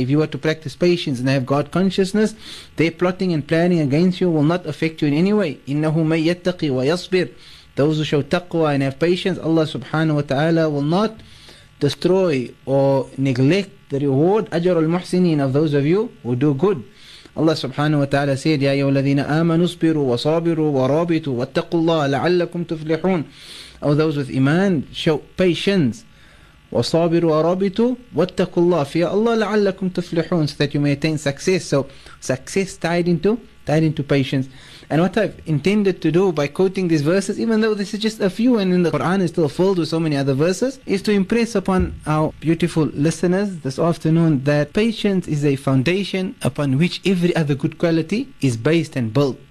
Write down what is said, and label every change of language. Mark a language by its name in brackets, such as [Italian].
[English] If you are to practice patience and have God consciousness, their plotting and planning against you will not affect you in any way. [Arabic] إِنَّهُ مَنْ يَتَّقِي وَيَصْبِرْ, [English] those who show taqwa and have patience, Allah subhanahu wa ta'ala will not destroy or neglect the reward, ajr al-muhsinin, of those of you who do good. Allah subhanahu wa ta'ala said, [Arabic] يَا أَيُّهَا الَّذِينَ آمَنُوا اصْبِرُوا وَصَابِرُوا وَرَابِطُوا وَاتَّقُوا اللَّهَ لَعَلَّكُمْ تُفْلِحُونَ. [English] Oh, those with iman, show patience. [Arabic] وَصَابِرُوا وَرَابِطُوا وَاتَّقُوا اللَّهَ فِيَا اللَّهَ لَعَلَّكُمْ تُفْلِحُونَ, [English] so that you may attain success. So success tied into tied into patience. And what I've intended to do by quoting these verses, even though this is just a few and in the Quran is still filled with so many other verses, is to impress upon our beautiful listeners this afternoon that patience is a foundation upon which every other good quality is based and built.